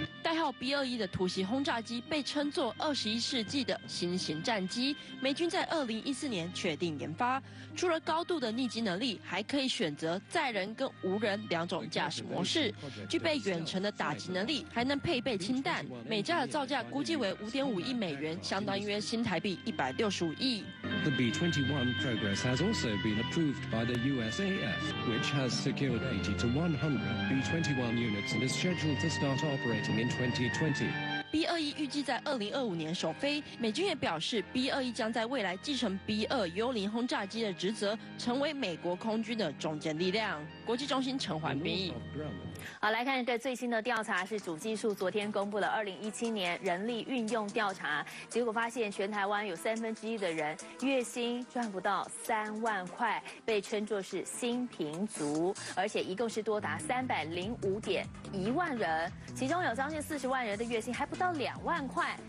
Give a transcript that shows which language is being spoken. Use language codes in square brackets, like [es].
[zh] 代号 B-21 的突袭轰炸机被称作21世纪的新型战机，美军在2014年确定研发，除了高度的逆击能力，还可以选择载人跟无人两种驾驶模式，具备远程的打击能力，还能配备氢弹，每架的造价估计为5.5亿美元，相当约新台币165亿。 [en] The B-21 Progress has also been approved by the USAF, which has secured 80 to 100 B-21 units and is scheduled to start operating in 2020. [zh] B-21 预计在2025年首飞，美军也表示 B-21 将在未来继承 B-2 幽灵轰炸机的职责，成为美国空军的中坚力量。国际中心陈环斌。好，来看一个最新的调查，是主技术昨天公布了2017年人力运用调查，结果发现全台湾有1/3的人月薪赚不到3万块，被称作是新贫族，而且一共是多达305.1万人，其中有将近40万人的月薪还不到2万块。